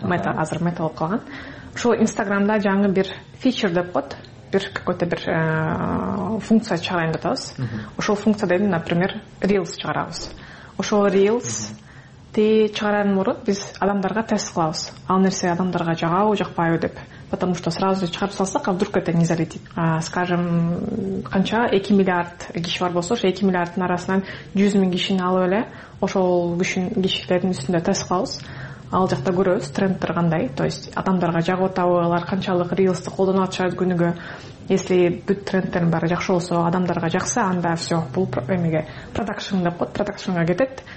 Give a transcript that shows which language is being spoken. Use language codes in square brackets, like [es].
[ky] Мета азыр Мета болуп калган. Ошол Инстаграмда жаңы бир фичер деп коет. Бир [ru] какой-то [ky] бир функция чыгарайын деп атабыз. Ошол функция деген, [ru] например, [ky] Reels чыгарабыз. Ошол Reels ти чыгарган мурун биз адамдарга тест кылабыз. Ал нерсе адамдарга жагабы, жакпайбы деп. [ru] Потому что сразу [ky] чыгарып салсак, [ru] а вдруг это не залетит. [ky] Скажем, канча 2 миллиард киши бар болсо, 2 миллиарддын арасынан 100 миң кишини алып эле ошол кишилердин үстүндө тест кылабыз. Ал жакта көрөбүз трендтер кандай, [ru] то есть [ky] адамдарга жагып атабы, алар канчалык рилсти колдонуп атышат күнүгө. [ru] Если [ky] бүт трендтердин баары жакшы болсо, адамдарга жакса, анда [ru] все, [ky] бул эмеге продакшн деп коет, продакшнга кетет.